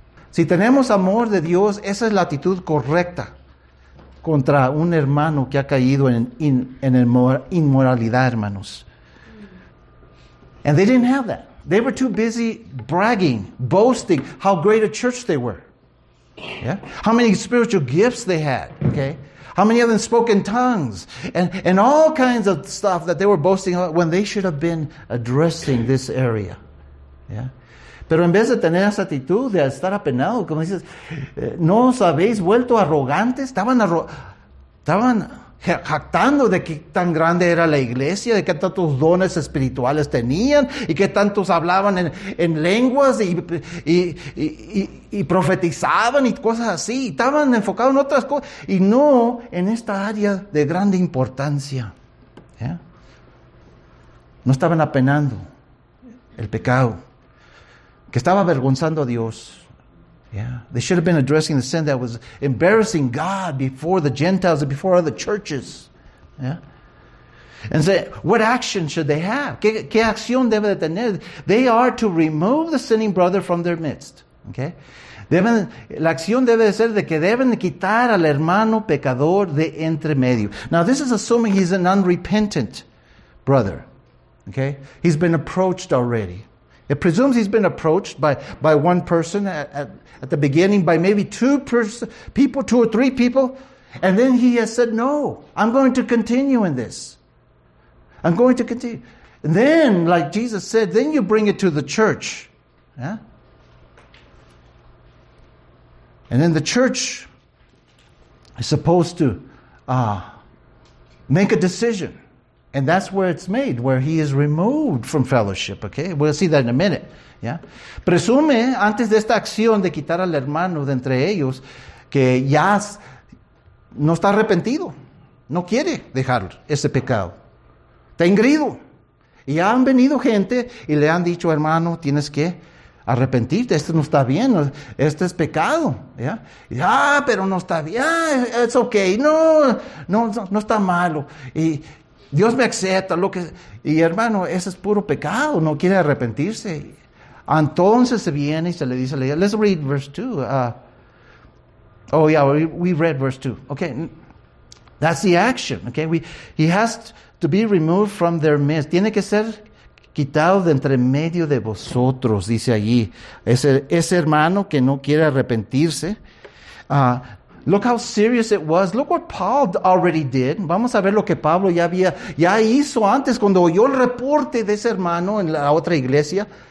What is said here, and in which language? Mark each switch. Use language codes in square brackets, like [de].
[es] Si tenemos amor de Dios, esa es la actitud correcta contra un hermano que ha caído en inmoralidad, hermanos. [en] And they didn't have that. They were too busy bragging, boasting how great a church they were. Yeah, how many spiritual gifts they had, okay? How many of them spoke in tongues? And all kinds of stuff that they were boasting about when they should have been addressing this area. Yeah, [es] Pero en vez de tener esa actitud de estar apenado, como dices, ¿no os habéis vuelto arrogantes? Estaban jactando de qué tan grande era la iglesia, de qué tantos dones espirituales tenían y qué tantos hablaban en lenguas y profetizaban y cosas así. Y estaban enfocados en otras cosas y no en esta área de grande importancia. ¿Eh? No estaban apenando el pecado, que estaba avergonzando a Dios. [en] Yeah, they should have been addressing the sin that was embarrassing God before the Gentiles and before other churches. Yeah, and say, what action should they have? [es] ¿Qué acción debe de tener? [en] They are to remove the sinning brother from their midst. [es] Okay, la acción debe de ser de que deben de quitar al hermano pecador de entre medio. [en] Now this is assuming he's an unrepentant brother. Okay, he's been approached already. It presumes he's been approached by one person at the beginning, by maybe two or three people, and then he has said, no, I'm going to continue in this. I'm going to continue. And then, like Jesus said, then you bring it to the church. Yeah? And then the church is supposed to make a decision. And that's where it's made, where he is removed from fellowship, okay? We'll see that in a minute, yeah? [es] Presume, antes de esta acción de quitar al hermano de entre ellos, que ya no está arrepentido, no quiere dejar ese pecado. Está ingrido. Y ya han venido gente y le han dicho, hermano, tienes que arrepentirte, esto no está bien, esto es pecado, ¿ya? Ya, pero no está bien, [en] it's okay, [es] no está malo. Y Dios me acepta, lo que, y hermano, ese es puro pecado, no quiere arrepentirse. Entonces se viene y se le dice, [en] let's read verse 2. We read verse 2. Okay, that's the action. Okay, he has to be removed from their midst. [es] Tiene que ser quitado de entre medio de vosotros, dice allí. Ese hermano que no quiere arrepentirse. [en] Look how serious it was. Look what Paul already did. [es] Vamos a ver lo que Pablo ya hizo antes cuando oyó el reporte de ese hermano en la otra iglesia.